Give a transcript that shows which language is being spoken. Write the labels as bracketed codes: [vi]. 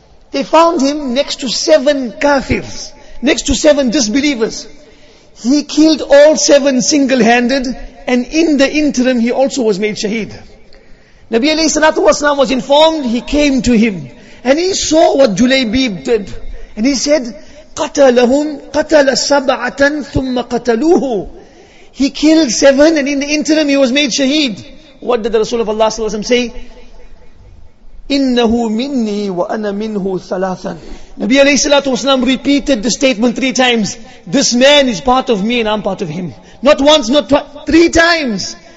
[en] They found him next to seven kafirs, next to seven disbelievers. He killed all seven single-handed, and in the interim, he also was made shaheed. Nabi alayhi salatu wasalam was informed, he came to him, and he saw what Julaybib did. And he said, [ar] قَتَلَهُمْ قَتَلَ سَبْعَةً ثُمَّ قَتَلُوهُ. [en] He killed seven, and in the interim, he was made shaheed. What did the Rasul of Allah sallallahu alayhi wa sallam say? [ar] إِنَّهُ مِنِّي وَأَنَا مِنْهُ ثَلَاثًا. [en] Nabi alayhi salatu wa sallam repeated the statement three times. This man is part of me and I'm part of him. Not once, not twice, three times.